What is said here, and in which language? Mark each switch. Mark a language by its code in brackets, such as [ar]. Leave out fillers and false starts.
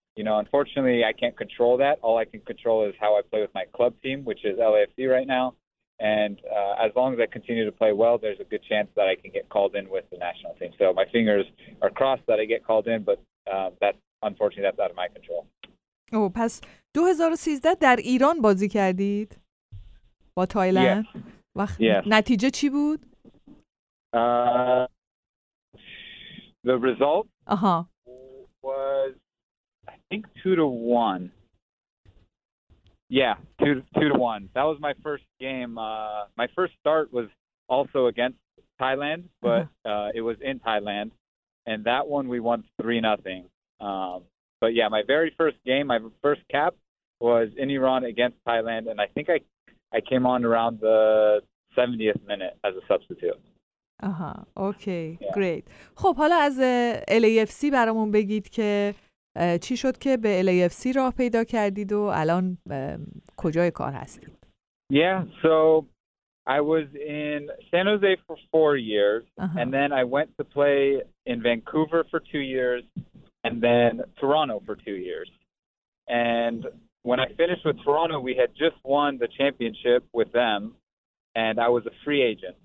[en] You know, unfortunately, I can't control that. All I can control is how I play with my club team, which is LAFC right now. And as long as I continue to play well, there's a good chance that I can get called in with the national team. So my fingers are crossed that I get called in, but unfortunately, that's out of my control. [fa] Oh, پس 2013 در ایران بازی کردید با تایلند. [en] Yes. [fa] نتیجه چی بود؟ [en] The result was, I think 2-1. Yeah, 2-1. That was my first game. My first start was also against Thailand, but it was in Thailand. And that one we won 3-0. But yeah, my very first game, my first cap was in Iran against Thailand. And I think I came on around the 70th minute as a substitute. Okay, yeah. Great. [fa] خب حالا از LAFC برامون بگید که چی شد که به LAFC راه پیدا کردید و الان کجای کار هستید؟ [en] Yeah, so I was in San Jose for 4 years and then I went to play in Vancouver for 2 years and then Toronto for 2 years. And when I finished with Toronto, we had just won the championship with them and I was a free agent.